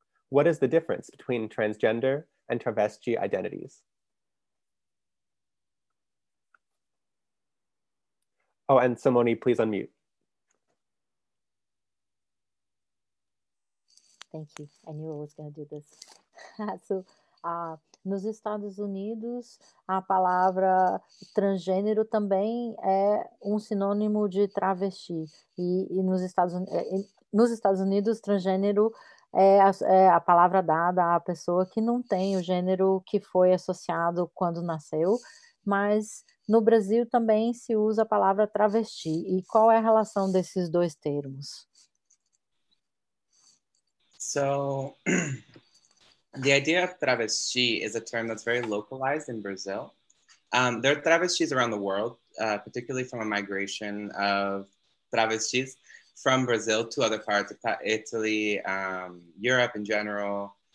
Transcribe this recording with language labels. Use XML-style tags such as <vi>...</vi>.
<en>What is the difference between transgender and travesti identities? Oh, and Simone, please unmute. Thank you. I knew I was going to do this.</en> <pt>Nos Estados Unidos, a palavra transgênero também é um sinônimo de travesti. E nos Estados Unidos, transgênero é a palavra dada à pessoa que não tem o gênero que foi associado quando nasceu. Mas no Brasil também se usa a palavra travesti. E qual é a relação desses dois termos?</pt> <en>The idea of travesti is a term that's very localized in Brazil. There are travestis around the world, particularly from a migration of travestis from Brazil to other parts of Italy, Europe in general.</en>